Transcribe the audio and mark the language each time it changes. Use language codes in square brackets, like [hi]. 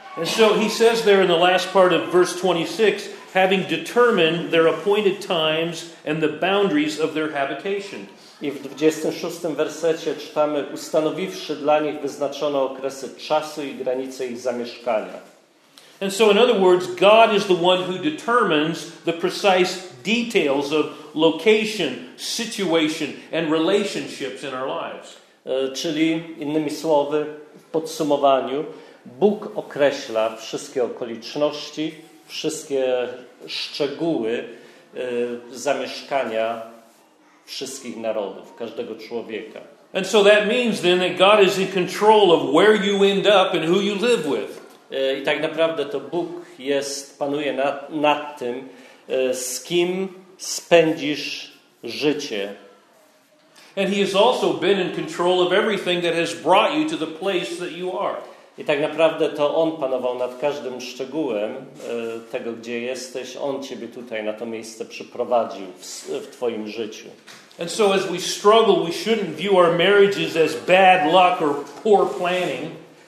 [en] And so he says there in the last part of verse 26, having determined their appointed times and the boundaries of their habitation. [pl] I w 26 wersecie czytamy, ustanowiwszy dla nich wyznaczone okresy czasu i granice ich zamieszkania. [en] And so in other words, God is the one who determines the precise details of location, situation and relationships in our lives. [pl] Czyli innymi słowy, w podsumowaniu, Bóg określa wszystkie okoliczności, wszystkie szczegóły zamieszkania wszystkich narodów, każdego człowieka. [en] And so that means then that God is in control of where you end up and who you live with. [pl] I tak naprawdę to Bóg jest, panuje nad tym, z kim spędzisz życie. [en] And he has also been in control of everything that has brought you to the place that you are. [pl] I tak naprawdę to on panował nad każdym szczegółem tego, gdzie jesteś. On ciebie tutaj na to miejsce przyprowadził w twoim życiu. [en] And so as we struggle, we shouldn't view our marriages as bad luck or poor planning.